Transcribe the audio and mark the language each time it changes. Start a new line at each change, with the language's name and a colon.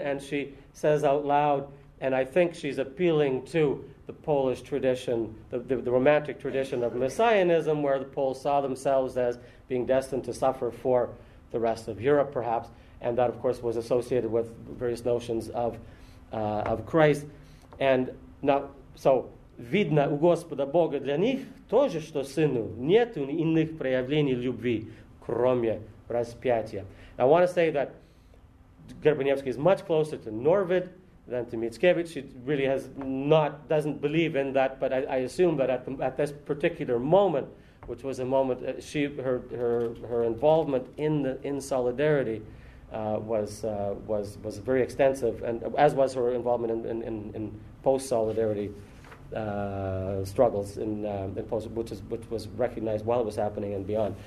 English: And she says out loud, and I think she's appealing to the Polish tradition, the romantic tradition of messianism, where the Poles saw themselves as being destined to suffer for the rest of Europe, perhaps, and that, of course, was associated with various notions of Christ. And now, so,
Russian: видно у Господа Бога для них тоже, что сыну нету иных проявлений любви, кроме распятия.
English: I want to say that Gorboniewski is much closer to Norvid than to Mickiewicz. She really doesn't believe in that, but I assume that at this particular moment, which was a moment, her involvement in solidarity was very extensive, and as was her involvement in post solidarity struggles which was recognized while it was happening and beyond.